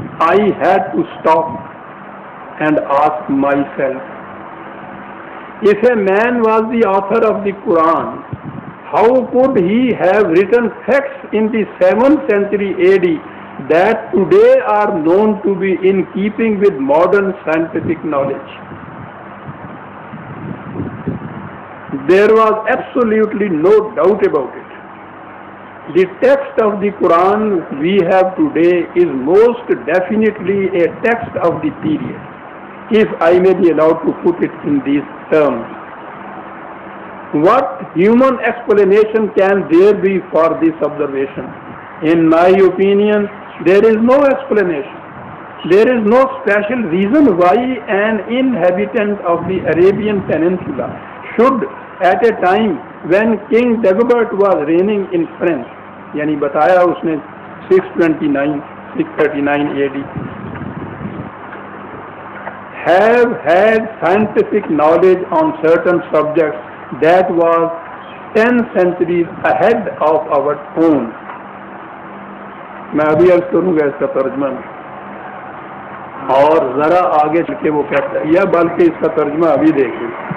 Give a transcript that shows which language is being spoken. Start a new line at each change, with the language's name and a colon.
English: I had to stop and ask my self, if a man was the author of the Quran how could he have written facts in the 7th century AD that today are known to be in keeping with modern scientific knowledge. There was absolutely no doubt about it. The text of the Quran we have today is most definitely a text of the period, if I may be allowed to put it in these terms. What human explanation can there be for this observation? In my opinion, there is no explanation. There is no special reason why an inhabitant of the Arabian Peninsula should, at a time when King Dagobert was reigning in France,
Hindi: yani bataya usne
English: 629 AD, have had scientific knowledge on certain subjects that was 10 centuries ahead of our own.
Hindi: मैं अभी अर्ज करूंगा इसका तर्जमा और जरा आगे चल के वो कहता है, या बल्कि इसका तर्जमा अभी देखें।